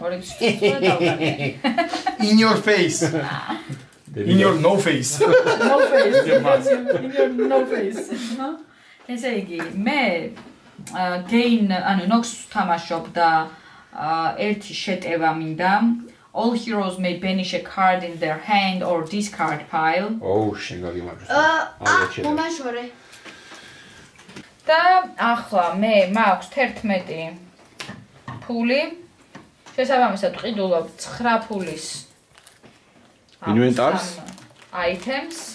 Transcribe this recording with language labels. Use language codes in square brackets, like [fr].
[ka] ორი სიცოცხლე დავკარგე. [en] In your face. In your no face. No face. In your no face. [ka] ესე იგი, მე gain ანუ nox თამაშობ და ერთი შეტევა მინდა. [en] All heroes may banish a card in their hand or discard pile. [ka] Oh, შეგავი მაგას. მომაშორე. და ახლა მე მაქვს 11 ფული. შესაბამისად ყიდულობ 9 ფულის ინვენტარს, [en] items.